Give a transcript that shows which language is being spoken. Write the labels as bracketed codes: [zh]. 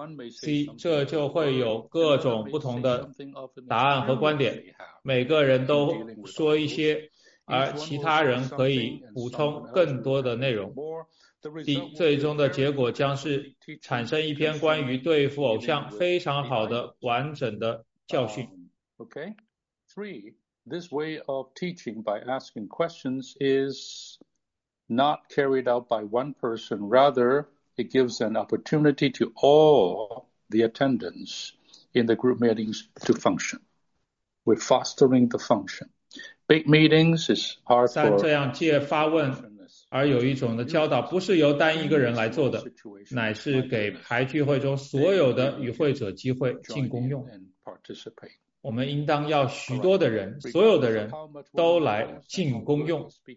[zh] C 这就会有各种不同的答案和观点，每个人都说一些，而其他人可以补充更多的内容。 D 最终的结果将是产生一篇关于对付偶像非常好的完整的教训。 [en] Okay. Three, this way of teaching by asking questions is not carried out by one person. Rather, it gives an opportunity to all the attendants in the group meetings to function. We're fostering the function. Big meetings is hard for. [zh] 三，这样借发问而有一种的教导，不是由单一个人来做的，乃是给排聚会中所有的与会者机会进功用。我们应当要许多的人，所有的人都来进功用。